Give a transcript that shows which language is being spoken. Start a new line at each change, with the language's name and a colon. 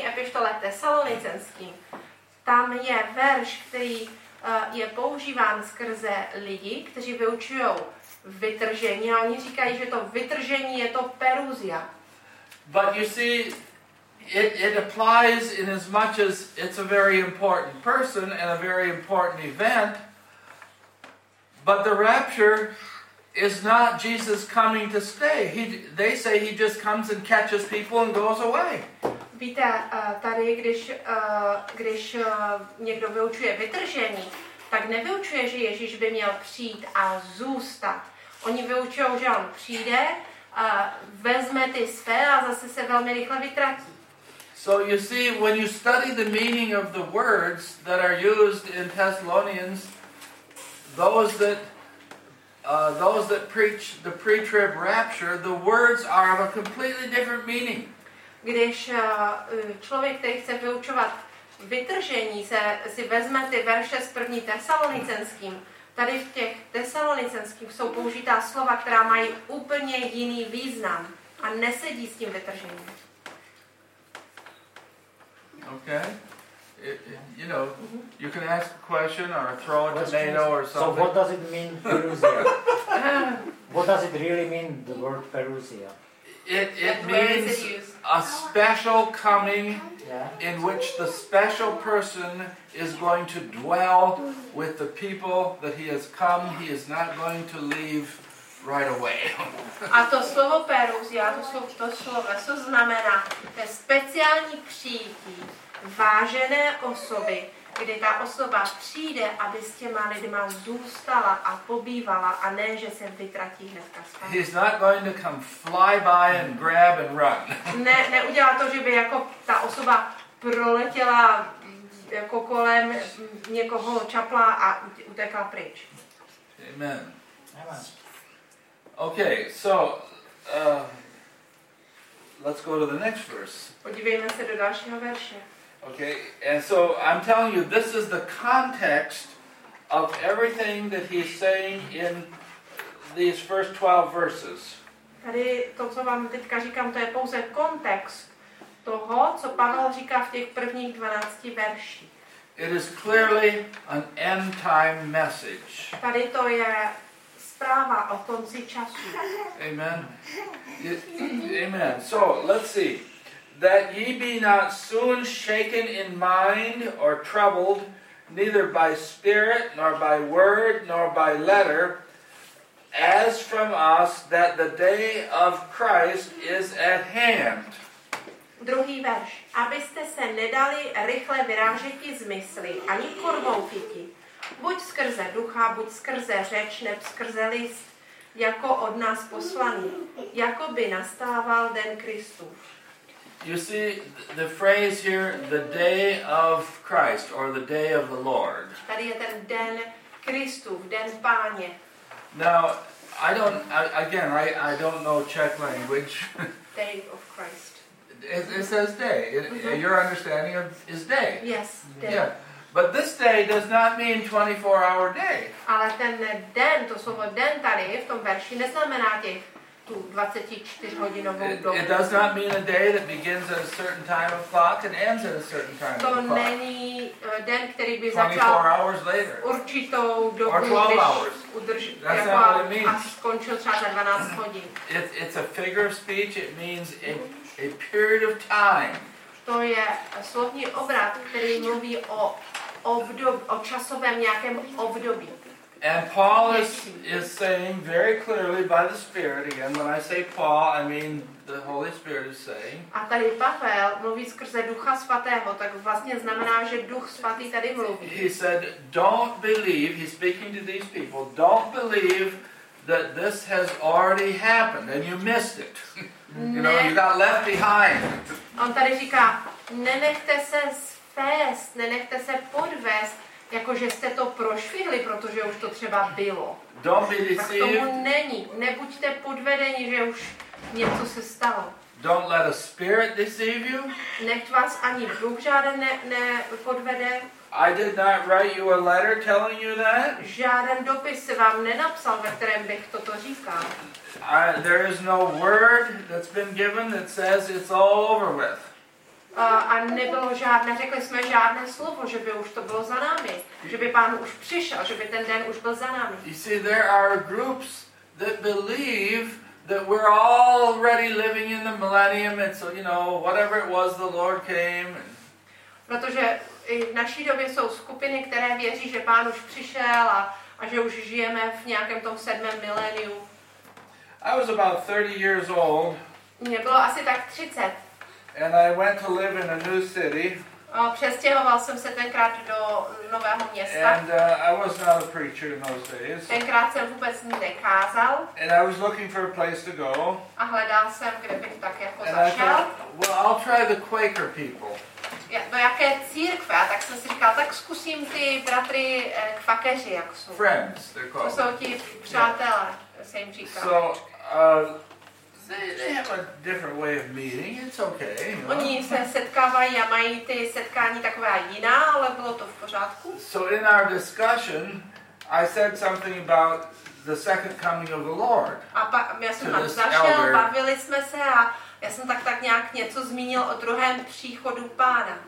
Czech: epištole Tesalonicenským, tam je verš, který je používán skrze lidi, kteří vyučují vytržení, a oni říkají, že to vytržení je to parousia.
English: But you see, It applies in as much as it's a very important person and a very important event, but the rapture is not Jesus coming to stay. They say he just comes and catches people and goes away.
Czech: Víte, tady, když někdo vyučuje vytržení, tak nevyučuje, že Ježíš by měl přijít a zůstat. Oni vyučují, že on přijde, vezme ty své a zase se velmi rychle vytratí.
English: So you see, when you study the meaning of the words that are used in Thessalonians, those that preach the pre-trib rapture, the words are of a completely different meaning.
Czech: Když člověk, který chce vyučovat vytržení, si vezme ty verše z 1. Tesalonicenským, tady v těch Tesalonicenských jsou použitá slova, která mají úplně jiný význam a nesedí s tím vytržením.
English: Okay, you know, you can ask a question or throw a tomato or something. So what does it mean, parousia? What does it really mean, the word parousia? It means a special coming in which the special person is going to dwell with the people that he has come. He is not going to leave right away.
Czech: A to slovo parousia, to slovo znamená to speciální přijetí vážené osoby, kdy ta osoba přijde, aby s těma lidma zůstala a pobývala, a ne že se vytratí hnedka zpátky.
English: He's not going to come fly by and grab and run.
Czech: Neudělá to, že by jako ta osoba proletěla jako kolem někoho, čapla a utekla pryč.
English: Amen. Okay, so Let's go to the next verse.
Czech: Podívejme se do dalšího verše.
English: Okay, and so I'm telling you, this is the context of everything that he's saying in these first 12 verses.
Czech: Tady to, co vám teďka říkám, to je pouze kontext toho, co Pavel říká v těch prvních 12 verších.
English: It is clearly an end time message.
Czech: Tady to je zpráva o konci času.
English: Amen. Amen. So, let's see. That ye be not soon shaken in mind or troubled, neither by spirit, nor by word, nor by letter, as from us that the day of Christ is at hand.
Czech: Druhý verš. Abyste se nedali rychle vyrážeti z mysli, ani korvou chyti, buď skrze ducha, buď skrze řeč, neb skrze list, jako od nás poslaný, jako by nastával den Kristův.
English: You see the phrase here, the day of Christ, or the day of the Lord.
Czech: Tady je ten den Kristův, den Páně.
English: Now, I don't know Czech language. Day of Christ. It says day. Your understanding of is day. Yes, day. Yeah. But this day does not mean 24-hour day.
Czech: Ale ten den, to slovo den tady v tom verši neznamená těch tu 24-hodinovou dobu.
English: It does not mean a day that begins at a certain time of clock and ends at a certain time to of clock.
Czech: To není den, který by začal určitou dobu,
English: or 12 hours. That's not what it means.
Czech: A skončil třeba za 12 hodin.
English: It's a figure of speech. It means a period of time.
Czech: To je slovní obrat, který mluví o období, o časovém nějakém období.
English: And Paul is saying very clearly by the Spirit, again, when I say Paul, I mean the Holy Spirit is saying.
Czech: A tady Pavel mluví skrze Ducha Svatého, tak vlastně znamená, že Duch Svatý tady mluví.
English: He said, don't believe, he's speaking to these people, don't believe that this has already happened and you missed it. You know, you got left behind.
Czech: On tady říká, nenechte se sfést, nenechte se podvést, jakože jste to prošvihli, protože už to třeba bylo.
English: Don't be deceived.
Czech: Tak tomu není. Nebuďte podvedeni, že už něco se stalo.
English: Don't let a spirit deceive you.
Czech: Nech vás ani duch žádný nepodvede.
English: I did not write you a letter telling you that.
Czech: Žádný dopis se vám nenapsal, ve kterém bych toto říkal.
English: There is no word that's been given that says it's all over with.
Czech: A nebylo žádné, řekli jsme žádné slovo, že by už to bylo za námi, že by Pán už přišel, že by ten den už byl za námi.
English: You see, there are groups that believe that we're already living in the millennium, and so, you know, whatever it was, the Lord came.
Czech: Protože i v naší době jsou skupiny, které věří, že Pán už přišel a že už žijeme v nějakém tom sedmém miléniu.
English: I was about 30 years old.
Czech: Mě bylo asi tak 30.
English: And I went to live in a new city.
Czech: Přestěhoval jsem se tenkrát do nového města.
English: And I was not a preacher in those days.
Czech: Tenkrát jsem vůbec nekázal.
English: And I was looking for a place to go.
Czech: A hledal jsem, kde bych tak jako zašel.
English: And I thought, well, I'll try the Quaker people.
Czech: Do jaké církve? A tak jsem si říkal, tak zkusím ty bratry kvakeři, jak jsou.
English: Friends, they're called.
Czech: To jsou ti přátelé, yeah. Se jim říkal.
English: So, they have a different way of meeting. It's okay. You know?
Czech: Oni se setkávají a mají ty setkání taková jiná, ale bylo to v pořádku.
English: So in our discussion, I said something about the second coming of the Lord.
Czech: A pak jsem tam zašel, bavili jsme se a já jsem tak nějak něco zmínil o druhém příchodu Pána.